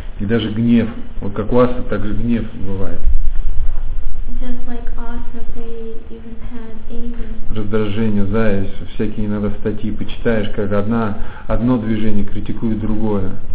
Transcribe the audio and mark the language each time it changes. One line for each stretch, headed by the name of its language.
Russian: И даже гнев, вот как у вас, так же гнев бывает.
English: Just like us, they even had anger.
Russian: Раздражение, зависть, всякие иногда статьи почитаешь, как одно движение критикует другое.